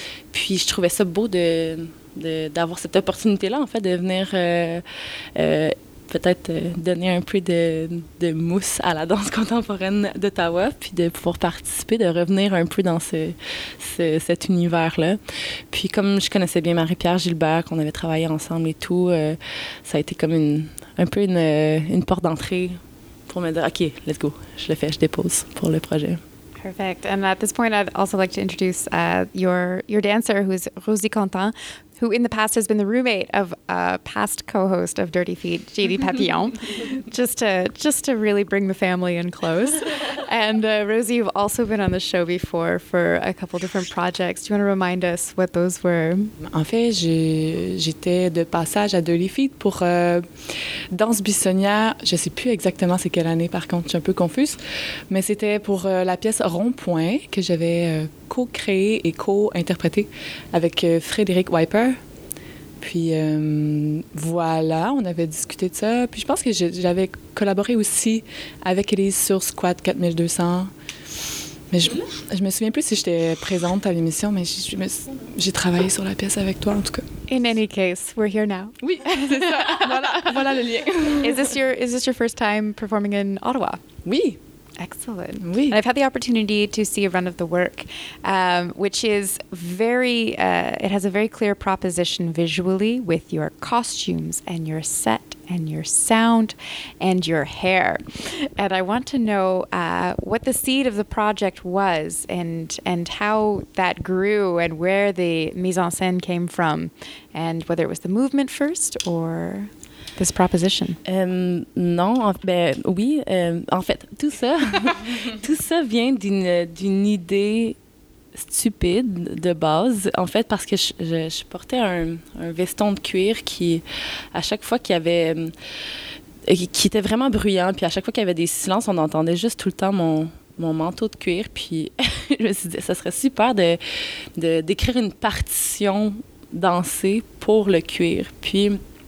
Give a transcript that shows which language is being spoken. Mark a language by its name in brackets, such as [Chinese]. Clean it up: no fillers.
[French] Puis je trouvais ça beau d'avoir cette opportunité-là, en fait, de venir peut-être donner un peu de mousse à la danse contemporaine d'Ottawa, puis de pouvoir participer, de revenir un peu dans cet univers-là. Puis comme je connaissais bien Marie-Pierre Gilbert, qu'on avait travaillé ensemble et tout, ça a été comme un peu une porte d'entrée pour me dire, [English] OK, let's go, [French] je le fais, je dépose pour le projet. [English] Perfect. And at this point, I'd also like to introduce your dancer, who's Rosie Quentin, who in the past has been the roommate of a past co-host of Dirty Feet, J.D. Papillon, just to really bring the family in close. And Rosie, you've also been on the show before for a couple different projects. Do you want to remind us what those were? [French] En fait, j'étais de passage à Dirty Feet pour Danse Buissonnière. Je ne sais plus exactement c'est quelle année, par contre, je suis un peu confuse. Mais c'était pour la pièce Rond-Point que j'avais co-créée et co-interprétée avec Frédéric Wiper. Puis voilà, on avait discuté de ça. Puis je pense que j'avais collaboré aussi avec Elise sur Squat 4200. Mais je me souviens plus si j'étais présente à l'émission, mais j'ai travaillé sur la pièce avec toi en tout cas. [English] In any case, we're here now. [French] Oui, c'est ça. Voilà le lien. [English] Is this your first time performing in Ottawa? [French] Oui. [English] Excellent. [French] Oui. [English] And I've had the opportunity to see a run of the work, which is very, it has a very clear proposition visually with your costumes and your set and your sound and your hair. And I want to know what the seed of the project was and how that grew and where the mise en scène came from and whether it was the movement first or... This proposition. [French] Tout ça vient d'une idée stupide de base, en fait, parce que je portais un veston de cuir qui, à chaque fois qu'il y avait, qui était vraiment bruyant, puis à chaque fois qu'il y avait des silences, on entendait juste tout le temps mon manteau de cuir, puis je me suis dit, ça serait super de d'écrire une partition dansée pour le cuir, puis...